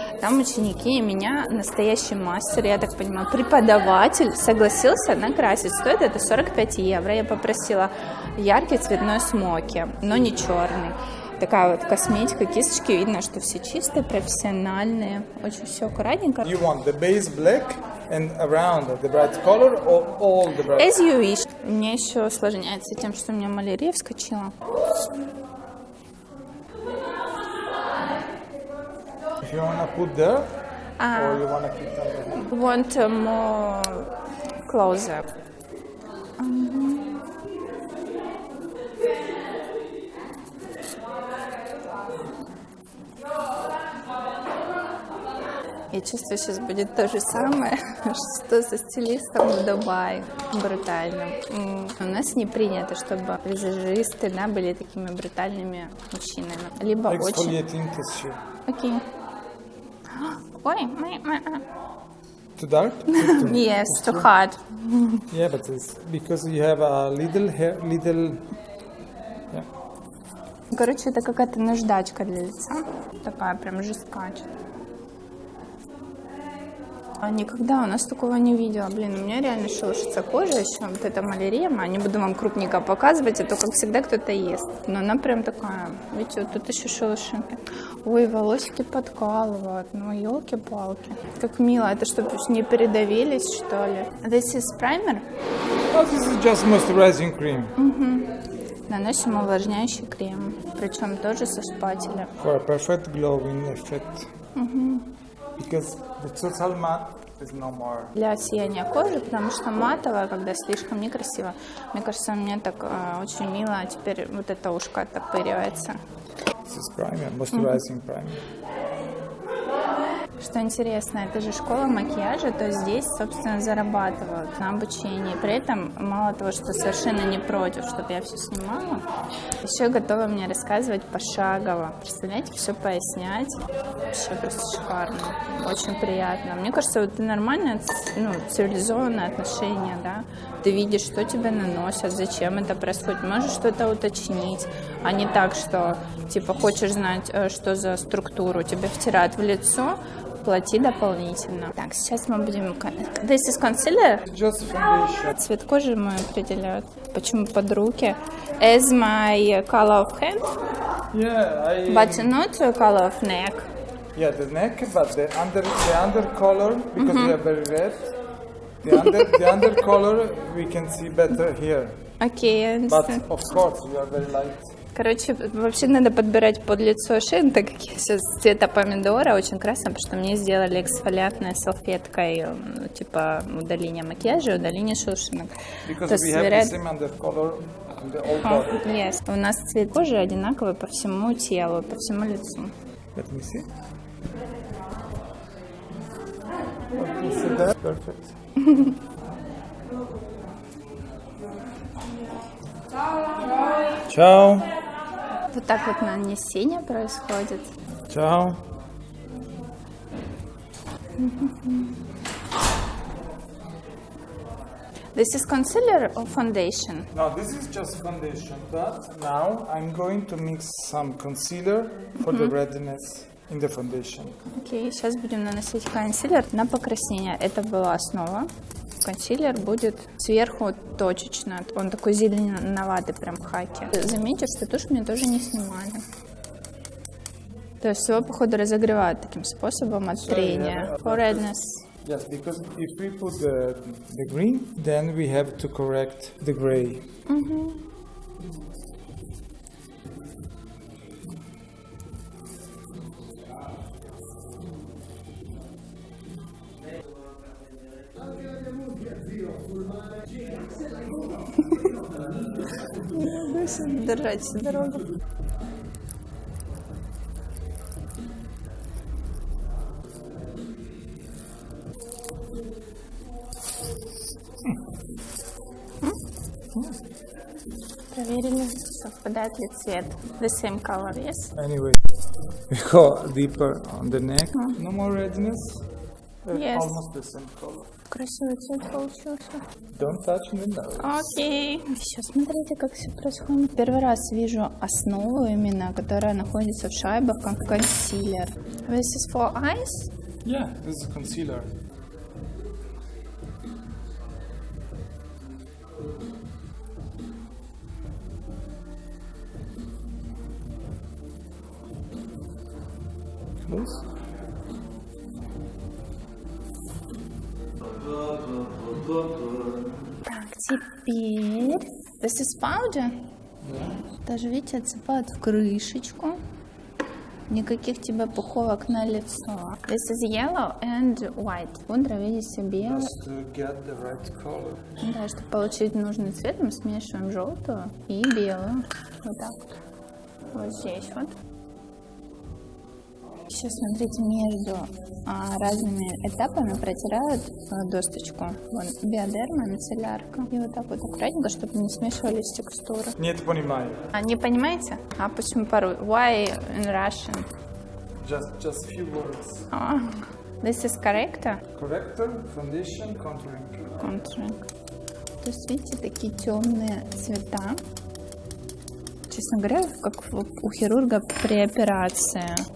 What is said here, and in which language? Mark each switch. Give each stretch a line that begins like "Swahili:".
Russian: Там ученики и меня, настоящий мастер, я так понимаю, преподаватель, согласился накрасить. Стоит это 45 евро. Я попросила яркий цветной смоки, но не черный. Такая вот косметика, кисточки, видно, что все чистые, профессиональные, очень все аккуратненько.
English: You want the base black and around the bright color or all the bright? As you wish.
Russian: Мне еще усложняется тем, что у меня малярия вскочила.
English: If you wanna put there, or you wanna keep that? I want more closer.
Russian: Я чувствую, сейчас будет то же самое, что со стилистом в Дубае. Брутально. У нас не принято, чтобы визажисты, да, были такими брутальными мужчинами. Либо очень... Окей. Ой,
English: Too dark? Yes, too hard. Yeah, but it's because you have a little hair, little... Yeah.
Russian: Короче, это какая-то наждачка для лица. Такая прям жесткая. Никогда у нас такого не видела. Блин, у меня реально шелушится кожа еще. Вот эта малярия. Не буду вам крупненько показывать, а то, как всегда, кто-то ест. Но она прям такая. Видите, вот тут еще шелушинки. Ой, волосики подкалывают. Ну, елки-палки. Как мило. Это чтобы не передавились, что ли.
English: This is primer? Oh, this is just moisturizing cream.
Russian: Наносим увлажняющий крем. Причем тоже со спателя.
English: For a perfect glowing effect. Because the total matte is no more.
Russian: Для сияния кожи, потому что матовая, когда слишком некрасиво. Мне кажется, мне так очень мило, а теперь вот это ушко оттопыривается.
English: This is primer, moisturizing primer.
Russian: Что интересно, это же школа макияжа, то здесь, собственно, зарабатывают на обучении. При этом, мало того, что совершенно не против, чтобы я все снимала, еще готова мне рассказывать пошагово. Представляете, все пояснять. Вообще просто шикарно. Очень приятно. Мне кажется, вот это нормальное, ну, цивилизованное отношение, да? Ты видишь, что тебе наносят, зачем это происходит. Можешь что-то уточнить, а не так, что, типа, хочешь знать, что за структуру тебе втирают в лицо, плати дополнительно. Так, сейчас мы будем...
English: This is concealer? Just foundation.
Russian: Цвет кожи мой определяют. Почему под руки?
English: As my color of hand? Yeah, I... But not your color of neck. Yeah, the neck, but the under color, because they are very red, the under color we can see better here. Okay, I understand. But of course, you are very light.
Russian: Короче, вообще надо подбирать под лицо шею, так как я сейчас цвета помидора, очень красная, потому что мне сделали эксфолиантной салфеткой, ну, типа удаление макияжа, удаление шелушинок.
English: Because we have the same undercolor on the old body. Yes.
Russian: У нас цвет кожи одинаковый по всему телу, по всему лицу.
English: Let me see. Perfect.
Russian: Чао. Вот так вот нанесение происходит. Чао.
English: This is concealer or foundation? No, this is just foundation, but now I'm going to mix some concealer for the redness in the foundation.
Russian: Окей, сейчас будем наносить консилер на покраснение. Это была основа. Консилер будет сверху точечно. Он такой зеленоватый, прям хаки. Заметьте, что тушь мне тоже не снимали. То есть его, походу, разогревают таким способом от трения.
English: For redness. Yes, because if we put the green, then we have to correct the gray.
Russian: Держать всю дорогу. Проверили, что совпадает ли цвет?
English: The same color, yes? Anyway, we go deeper on the neck. No more redness. Yes. Almost the same color.
Russian: Красивый цвет получился.
English: Don't touch the nose.
Russian: Окей. Все, смотрите, как все происходит. Первый раз вижу основу именно, которая находится в шайбах, как консилер.
English: This is for eyes? Yeah, this is concealer.
Russian: Так, теперь
English: this is powder. Yeah.
Russian: Даже видите, отсыпают в крышечку. Никаких тебе пуховок на лицо.
English: This is yellow and white.
Russian: Пудра, видите, белая.
English: Just to get the right color.
Russian: Да, чтобы получить нужный цвет, мы смешиваем желтую и белую. Вот так. Вот здесь вот. Еще смотрите, между разными этапами протирают досточку. Вон биодерма, мицеллярка. И вот так вот аккуратненько, чтобы не смешивались текстуры. Нет, понимаю. А не понимаете? А почему пару?
English: Why in Russian? Just few words. This is corrector. Corrector, foundation, contouring. Contouring.
Russian: То есть видите, такие темные цвета. Честно говоря, как у хирурга при операции.